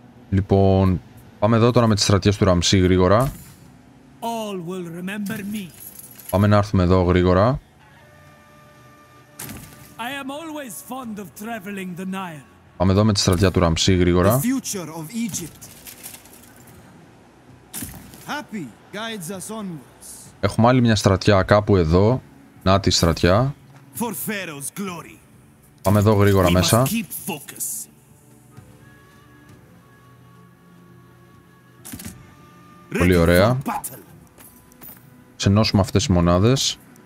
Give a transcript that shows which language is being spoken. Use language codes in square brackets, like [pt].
[el] Λοιπόν, πάμε εδώ τώρα με τις στρατιές του Ραμσί γρήγορα. [en] All will remember me. [el] Πάμε να έρθουμε εδώ γρήγορα. [en] I am always fond of traveling the Nile. [el] Πάμε εδώ με τη στρατιά του Ραμσί γρήγορα. [en] The future of Egypt. Happy guides us onwards. [el] Έχουμε άλλη μια στρατιά κάπου εδώ. Να τη στρατιά. [en] For Pharaoh's glory. [el] Πάμε εδώ γρήγορα [en] we [el] μέσα. [en] Keep focus. [el] Πολύ ωραία. Ξενώσουμε αυτές τις μονάδες.